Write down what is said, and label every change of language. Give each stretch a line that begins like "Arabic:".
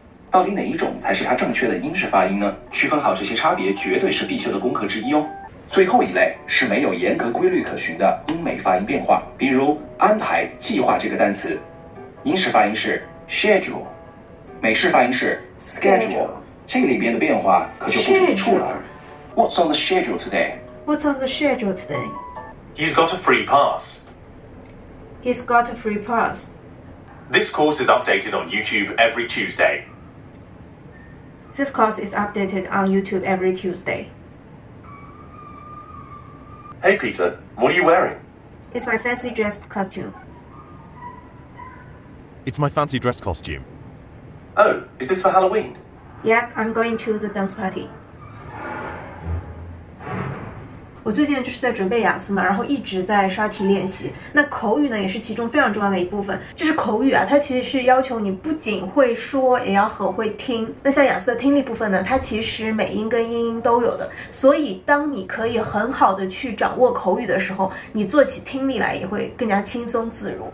Chinese: 到底哪一种才是它正确的英式发音呢？区分好这些差别绝对是必修的功课之一哦。最后一类是没有严格规律可循的英美发音变化，比如安排、计划这个单词，英式发音是 schedule， 美式发音是 schedule， 这里边的变化可就不止一处了。
English: What's on the schedule today? What's on the schedule today? He's got a free pass. He's got a free pass. This course is updated on YouTube every Tuesday. This course is updated on YouTube every Tuesday. Hey Peter, what are you wearing? It's my fancy dress costume. It's my fancy dress costume. Oh, is this for Halloween? Yep, I'm going to the dance party.
Chinese: 我最近就是在准备雅思嘛，然后一直在刷题练习。那口语呢，也是其中非常重要的一部分。就是口语啊，它其实是要求你不仅会说，也要很会听。那像雅思的听力部分呢，它其实美音跟英音都有的。所以当你可以很好的去掌握口语的时候，你做起听力来也会更加轻松自如。